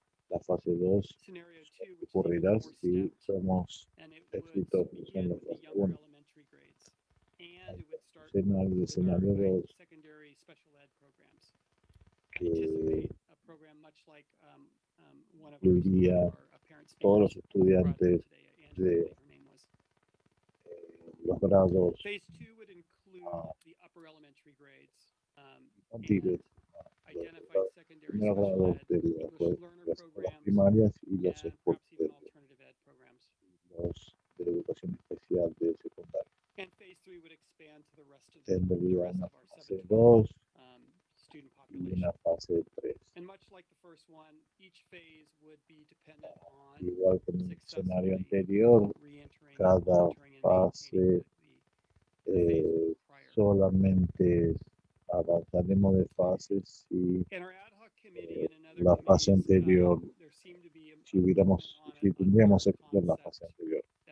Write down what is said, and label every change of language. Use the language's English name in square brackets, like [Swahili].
[Spanish] La fase 2 ocurrirá si somos exitosos en la fase 1. El escenario 2 que incluiría todos los estudiantes de los grados. [English] Phase two would include the upper elementary grades. And phase three would expand to the rest of student population. And much like the first one, each phase would be dependent on [Spanish] igual que en el escenario anterior, cada fase solamente avanzaremos de fases si la fase anterior, si tendríamos éxito en la fase anterior.